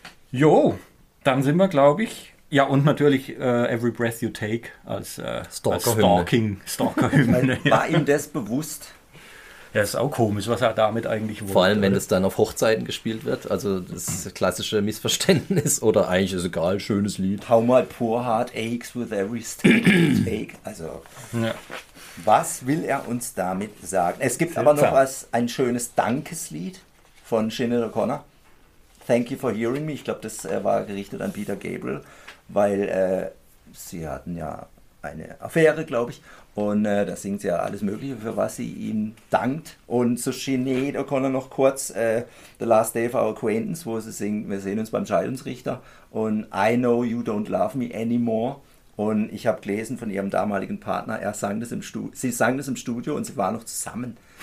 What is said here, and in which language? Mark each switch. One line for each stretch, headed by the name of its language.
German: Jo, dann sind wir, glaube ich, ja, und natürlich Every Breath You Take als Stalker-Hymne. War ihm das bewusst? Ja, ist auch komisch, was er damit eigentlich wollte. Vor allem, wenn das dann auf Hochzeiten gespielt wird. Also das klassische Missverständnis. Oder eigentlich ist egal, schönes Lied.
English: How my poor heart aches with every step you take.
German: Also, was will er uns damit sagen? Es gibt aber noch ein schönes Dankeslied von Sinéad O'Connor.
English: Thank you for hearing me.
German: Ich glaube, das war gerichtet an Peter Gabriel. Weil sie hatten ja eine Affäre, glaube ich. Und da singt sie ja alles Mögliche, für was sie ihm dankt. Und so Sinead O'Connor noch kurz, The Last Day of Our Acquaintance, wo sie singt, wir sehen uns beim Scheidungsrichter.
English: Und I know you don't love me anymore.
German: Und ich habe gelesen von ihrem damaligen Partner, er sang das im sie sang das im Studio und sie waren noch zusammen.